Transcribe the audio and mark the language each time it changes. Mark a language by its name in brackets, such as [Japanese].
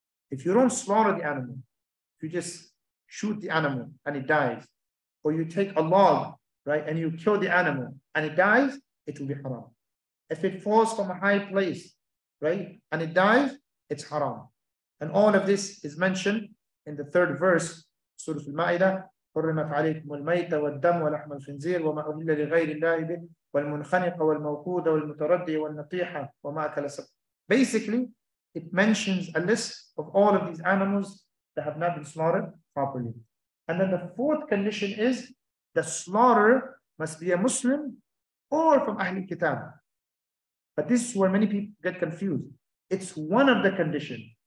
[English] If you don't slaughter the animal, you just shoot the animal and it dies, or you take a log, right, and you kill the animal and it dies, it will be haram. If it falls from a high place, right, and it dies, it's haram. And all of this is mentioned in the third verse, Surah Al-Ma'idah. [Arabic] حرمت عليكم الميتة والدم ولحم الخنزير وما أهل لغير الله به والمنخنق والموقود والمتردي والنطيحة وما أكل السبع. [English] Basically, it mentions a list of all of these animals that have not been slaughtered properly. And then the fourth condition is the slaughterer must be a Muslim or from Ahl al-Kitab. But this is where many people get confused. It's one of the conditions.